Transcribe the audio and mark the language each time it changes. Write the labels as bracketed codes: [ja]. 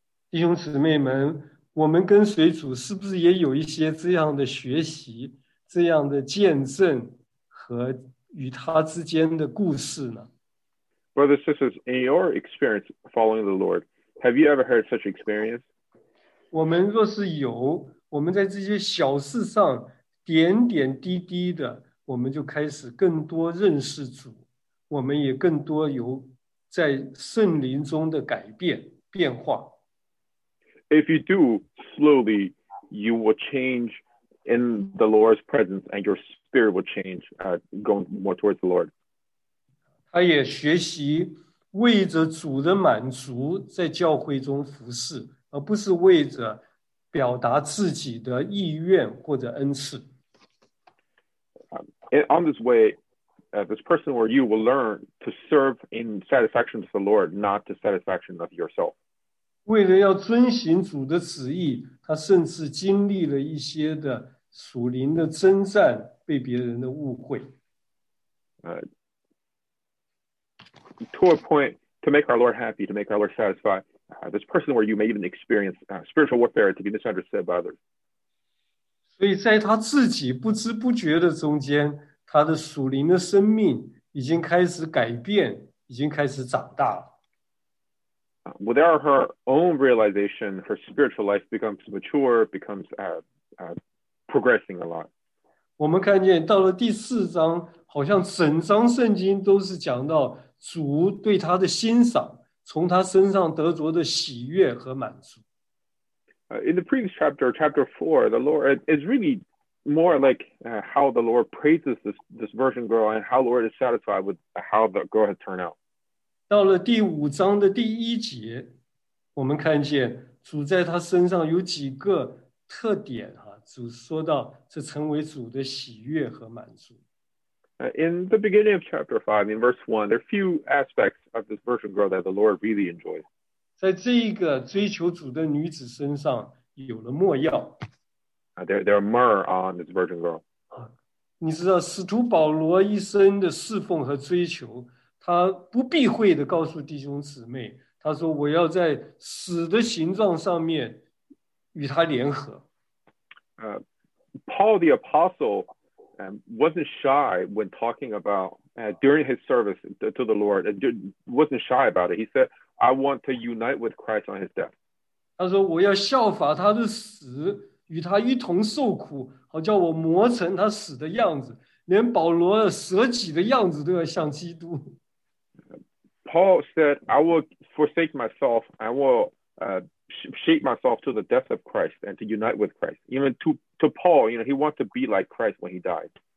[zh] 弟兄姊妹们，我们跟随主是不是也有一些这样的学习、这样的见证和与他之间的故事呢？ [en] Brothers and sisters, in your experience following the Lord, have you ever heard such experience? [zh] 我们若是有，我们在这些小事上点点滴滴的，我们就开始更多认识主，我们也更多有在圣灵中的改变、变化。 [en] If you do slowly, you will change in the Lord's presence and your spirit will change, going more towards the Lord. [zh] 他也学习为着主的满足在教会中服事，而不是为着表达自己的意愿或者恩赐。 [en] On this way, this person or you will learn to serve in satisfaction to the Lord, not to satisfaction of yourself. [zh] 为了要遵行主的旨意，他甚至经历了一些的属灵的征战，被别人的误会。 [en] To a point, to make our Lord happy, to make our Lord satisfied, this person or you may even experience spiritual warfare to be misunderstood by others. [zh] 所以在他自己不知不觉的中间，他的属灵的生命已经开始改变，已经开始长大了。 [en] Without her own realization, her spiritual life becomes mature, becomes progressing a lot. [zh] 我们看见到了第四章，好像整章圣经都是讲到主对他的欣赏，从他身上得着的喜悦和满足。 [en] In the previous chapter, chapter four, the Lord is really more like how the Lord praises this virgin girl and how the Lord is satisfied with how the girl has turned out. [zh] 到了第五章的第一节，我们看见主在他身上有几个特点啊，主说到这成为主的喜悦和满足。 [en] In the beginning of chapter five, in verse one, there are few aspects of this virgin girl that the Lord really enjoys. [zh] 在这一个追求主的女子身上有了没药。 [en] There are myrrh on this virgin girl. [zh] 你知道使徒保罗一生的侍奉和追求，他不避讳地告诉弟兄姊妹，他说我要在死的形状上面与他联合。 [en] Paul the Apostle wasn't shy when talking about during his service to the Lord, wasn't shy about it. He said, I want to unite with Christ on his death. [zh] 他说我要效法他的死，与他一同受苦，好叫我磨成他死的样子，连保罗舍己的样子都要像基督。 [en] Paul said, I will forsake myself, I will shape myself to the death of Christ and to unite with Christ. Even to Paul, you know, he wants to be like Christ when he died.